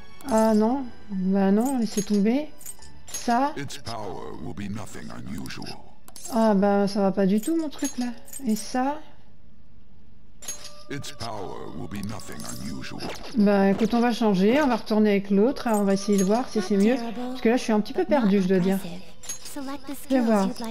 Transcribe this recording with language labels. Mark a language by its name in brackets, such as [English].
[French] Ah non, bah non, laissez tomber. Ça. [English] Its power will be nothing unusual. [French] Ah bah ça va pas du tout mon truc là. Et ça. [English] Its power will be nothing unusual. [French] Bah écoute, on va changer, on va retourner avec l'autre, on va essayer de voir si c'est mieux. Parce que là je suis un petit peu perdu, je dois dire. Je vais voir.